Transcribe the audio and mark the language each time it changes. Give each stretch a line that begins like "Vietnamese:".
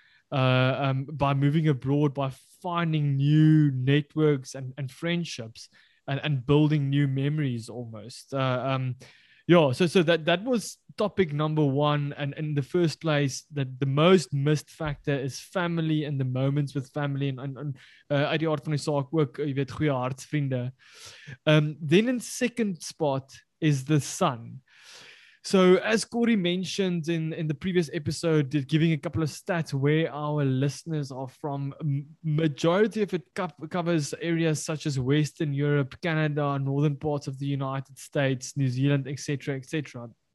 English: by moving abroad, by finding new networks and friendships and building new memories almost. So that was topic number one. And in the first place, that the most missed factor is family and the moments with family.
Afrikaans: And die aard van die saak ook, jy weet, goeie hartsvriende.
English: Then in second spot is the son. So as Corey mentioned in the previous episode, giving a couple of stats where our listeners are from, majority of it covers areas such as Western Europe, Canada, northern parts of the United States, New Zealand, etc., etc.